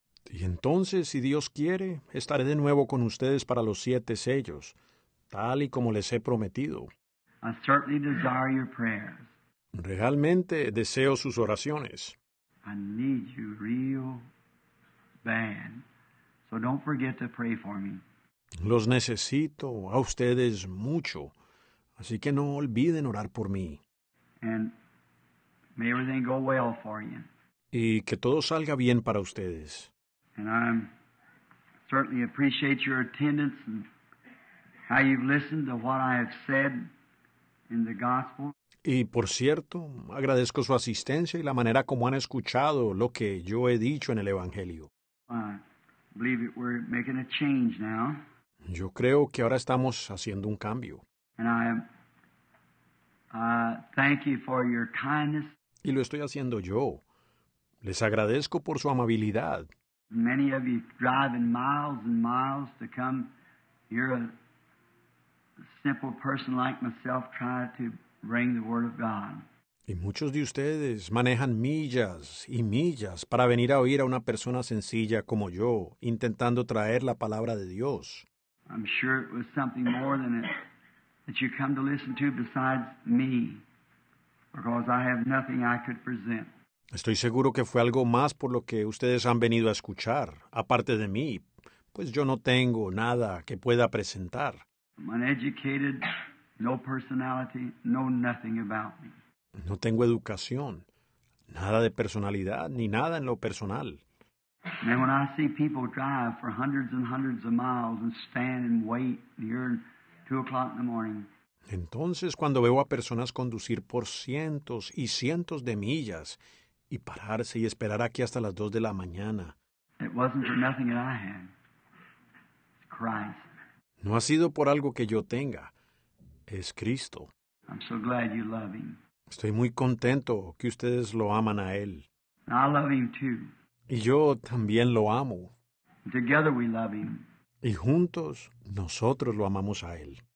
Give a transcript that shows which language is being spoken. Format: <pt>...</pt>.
<es>Y entonces, si Dios quiere, estaré de nuevo con ustedes para los siete sellos, tal y como les he prometido.</es> <en>I certainly desire your prayers.</en> <es>Realmente deseo sus oraciones.</es> <en>I need you real bad. So don't forget to pray for me.</en> <es>Los necesito a ustedes mucho, así que no olviden orar por mí.</es> <en>And may everything go well for you.</en> <es>Y que todo salga bien para ustedes.</es> <en>And I certainly appreciate your attendance and how you've listened to what I have said in the gospel.</en> <es>Y por cierto, agradezco su asistencia y la manera como han escuchado lo que yo he dicho en el Evangelio.</es> <en>I believe that we're making a change now.</en> <es>Yo creo que ahora estamos haciendo un cambio.</es> <en>And I Thank you for your kindness.</en> <es>Y lo estoy haciendo yo. Les agradezco por su amabilidad.</es> <en>Many of you driving miles and miles to come. You're a simple person like myself trying to bring the word of God.</en> <es>Y muchos de ustedes manejan millas y millas para venir a oír a una persona sencilla como yo, intentando traer la palabra de Dios.</es> <en>I'm sure it was something more than it that you come to listen to besides me, because I have nothing I could present.</en> <es>Estoy seguro que fue algo más por lo que ustedes han venido a escuchar, aparte de mí, pues yo no tengo nada que pueda presentar.</es> <en>I'm uneducated, no personality, no nothing about me.</en> <es>No tengo educación, nada de personalidad, ni nada en lo personal.</es> <en>And when I see people drive for hundreds and hundreds of miles and stand and wait near 2 o'clock in the morning.</en> <es>Entonces, cuando veo a personas conducir por cientos y cientos de millas y pararse y esperar aquí hasta las 2 de la mañana.</es> <en>It wasn't for nothing that I had. It's Christ.</en> <es>No ha sido por algo que yo tenga. Es Cristo.</es> <en>I'm so glad you love him.</en> <es>Estoy muy contento que ustedes lo aman a Él.</es> <en>I love him too.</en> <es>Y yo también lo amo.</es> <en>Together we love him.</en> <es>Y juntos nosotros lo amamos a Él.</es>